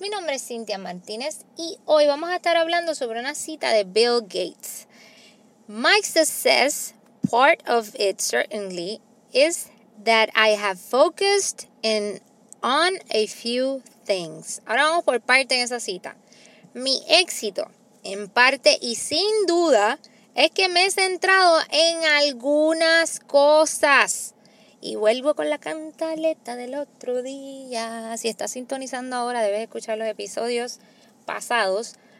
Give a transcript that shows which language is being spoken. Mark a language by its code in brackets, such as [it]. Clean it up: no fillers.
[es] Mi nombre es Cynthia Martínez y hoy vamos a estar hablando sobre una cita de Bill Gates. [en] My success, part of it certainly, is that I have focused on a few things. [es] Ahora vamos por parte de esa cita. Mi éxito, en parte y sin duda, es que me he centrado en algunas cosas. Y vuelvo con la cantaleta del otro día. Si estás sintonizando ahora, debes escuchar los episodios pasados.